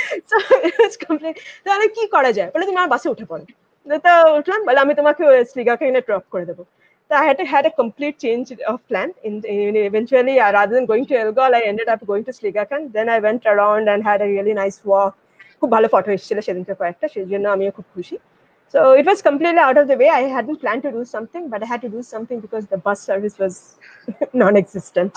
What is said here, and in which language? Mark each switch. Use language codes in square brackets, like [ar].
[en] So it's complete. [bn] তাহলে কি করা যায়? বলে তুমি আমার বাসে উঠে পড়ো। তো উঠলাম, বলে আমি তোমাকে শ্রীগাকে এনে ড্রপ করে দেবো। [en] So I had a complete change of plan. Eventually, rather than going to Elgol, I ended up going to Sligakan. Then I went around and had a really nice walk. [bn] খুব ভালো photo এসেছিল সেদিন থেকে একটা, সেই জন্য আমিও খুব খুশি। [en] So it was completely out of the way. I hadn't planned to do something, but I had to do something because the bus service was non-existent.